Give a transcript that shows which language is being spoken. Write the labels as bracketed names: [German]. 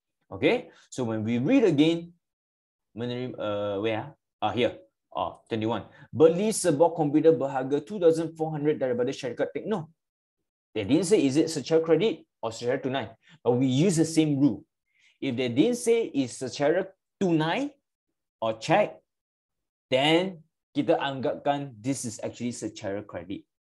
[English] Okay, so when we read again, where? 21. [Malay] Beli sebuah komputer berharga 2,400 daripada syarikat Tekno. [English] They didn't say, is it [Malay] secara kredit [English] or [Malay] secara tunai? [English] But we use the same rule. If they didn't say, is [Malay] secara tunai [English] or check, then [Malay] kita anggapkan [English] this is actually [Malay] secara kredit.